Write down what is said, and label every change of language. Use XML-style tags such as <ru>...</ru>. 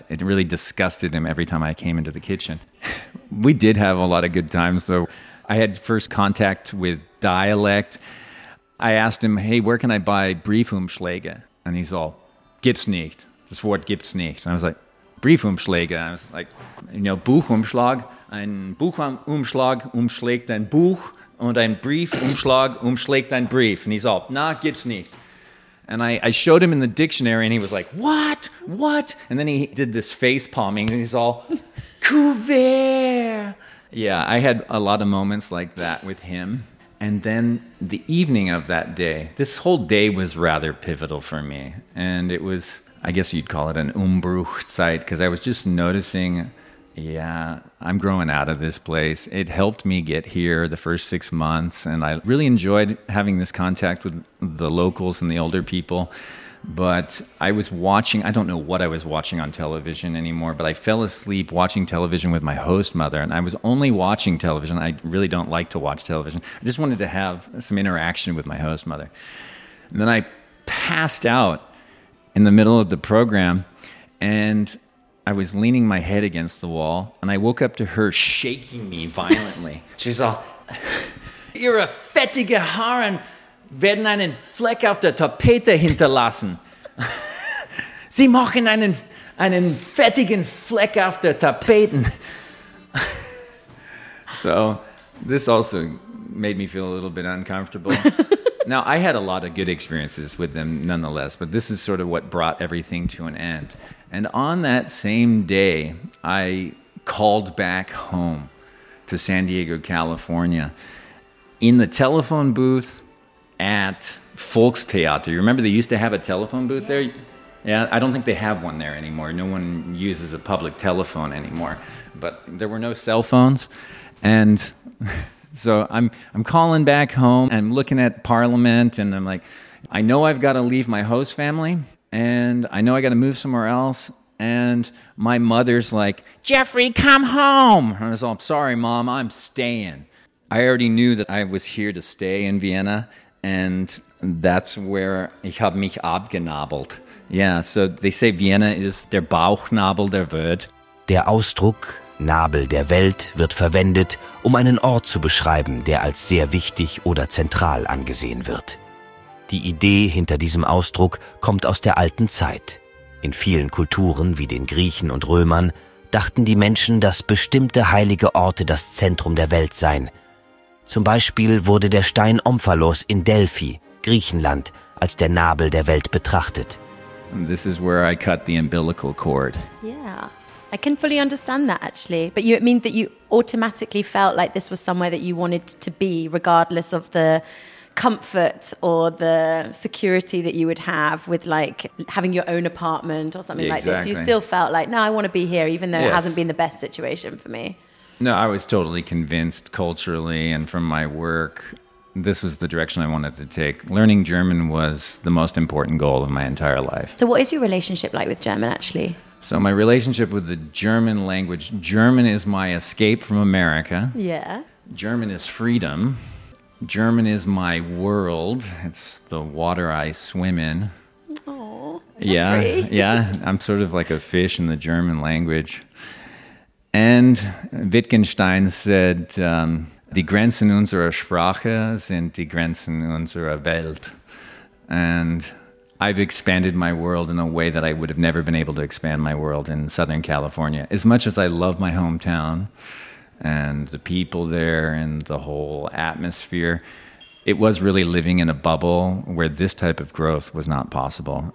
<en>It really disgusted him every time I came into the kitchen. We did have a lot of good times, though. I had first contact with dialect. I asked him, hey, where can I buy Briefumschläge? And he's all,</en> <de>gibt's nicht. das Wort gibt's nicht.</de> <en>And I was like, Briefumschläge. And I was like, you know, Buchumschlag.</en> <de>Ein Buchumschlag umschlägt ein Buch und ein Briefumschlag umschlägt ein Brief.</de> <en>And he's all,</en> <de>nah, gibt's nicht.</de> <en>And I showed him in the dictionary and he was like, what? What? And then he did this face palming and he's all, couvert. Yeah, I had a lot of moments like that with him. And then the evening of that day, this whole day was rather pivotal for me. And it was, I guess you'd call it an Umbruchzeit, because I was just noticing, yeah, I'm growing out of this place. It helped me get here the first 6 months. And I really enjoyed having this contact with the locals and the older people. But I was watching, I don't know what I was watching on television anymore, but I fell asleep watching television with my host mother, and I was only watching television. I really don't like to watch television. I just wanted to have some interaction with my host mother. And then I passed out in the middle of the program, and I was leaning my head against the wall, and I woke up to her shaking me violently. She's all, you're a</en> <de>fettige Haaren. Werden einen Fleck auf der Tapete hinterlassen. Sie machen einen fettigen Fleck auf der Tapeten.</de> <en>So, this also made me feel a little bit uncomfortable. Now, I had a lot of good experiences with them nonetheless, but this is sort of what brought everything to an end. And on that same day, I called back home to San Diego, California. In the telephone booth, at Volkstheater. You remember they used to have a telephone booth there? Yeah, I don't think they have one there anymore. No one uses a public telephone anymore. But there were no cell phones. And so I'm calling back home. I'm looking at Parliament. And I'm like, I know I've got to leave my host family. And I know I got to move somewhere else. And my mother's like, Jeffrey, come home. And I was all, sorry, Mom, I'm staying. I already knew that I was here to stay in Vienna. And that's where</en> <de>ich habe mich abgenabelt.</de> <en>Yeah, so they say Vienna is</en> <de>der Bauchnabel der Welt. Der Ausdruck Nabel der Welt wird verwendet, um einen Ort zu beschreiben, der als sehr wichtig oder zentral angesehen wird. Die Idee hinter diesem Ausdruck kommt aus der alten Zeit. In vielen Kulturen, wie den Griechen und Römern, dachten die Menschen, dass bestimmte heilige Orte das Zentrum der Welt seien. Zum Beispiel wurde der Stein Omphalos in Delphi, Griechenland, als der Nabel der Welt betrachtet.</de> <en>This is where I cut the umbilical cord. Yeah, I can fully understand that actually. But it means that you automatically felt like this was somewhere that you wanted to be, regardless of the comfort or the security that you would have with like having your own apartment or something exactly. Like this. You still felt like, no, I want to be here, even though yes. It hasn't been the best situation for me. No, I was totally convinced culturally and from my work, this was the direction I wanted to take. Learning German was the most important goal of my entire life. So what is your relationship like with German, actually? So my relationship with the German language, German is my escape from America. Yeah. German is freedom. German is my world. It's the water I swim in. Oh, yeah. Free. Yeah, I'm sort of like a fish in the German language. And Wittgenstein said,</en> <de>die Grenzen unserer Sprache sind die Grenzen unserer Welt.</de> <en>And I've expanded my world in a way that I would have never been able to expand my world in Southern California. As much as I love my hometown and the people there and the whole atmosphere, it was really living in a bubble where this type of growth was not possible.</en>